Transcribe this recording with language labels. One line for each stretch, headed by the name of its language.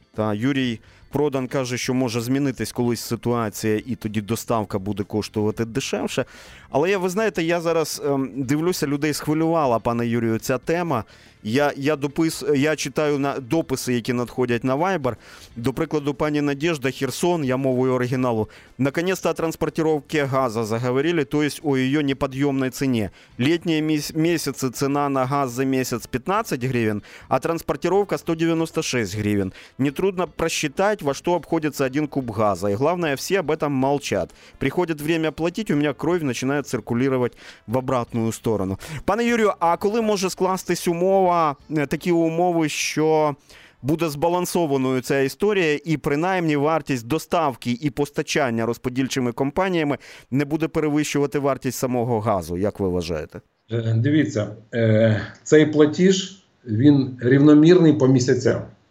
Ukrainian: Та Юрій Продан каже, що може змінитись колись ситуація, і тоді доставка буде коштувати дешевше. Але я, ви знаєте, я зараз дивлюся, людей схвилювала, пане Юрію, ця тема. Я читаю на дописи, які надходять на Viber. До прикладу, пані Надежда, Херсон, я мовою оригіналу.
Russian: Наконец-то о транспортировке газа заговорили, то есть о ее неподъемной цене. Летние месяцы цена на газ за месяц 15 гривен, а транспортировка 196 гривен. Нетрудно просчитать, во что обходится один куб газа. И главное, все об этом молчат. Приходит время платить, у меня кровь начинает циркулировать в обратную сторону.
Ukrainian: Пане Юрію, а коли може скластись такі умови, що буде збалансованою ця історія, і принаймні вартість доставки і постачання розподільчими компаніями не буде перевищувати вартість самого газу, як ви вважаєте? Дивіться, цей платіж, він рівномірний по місяцям.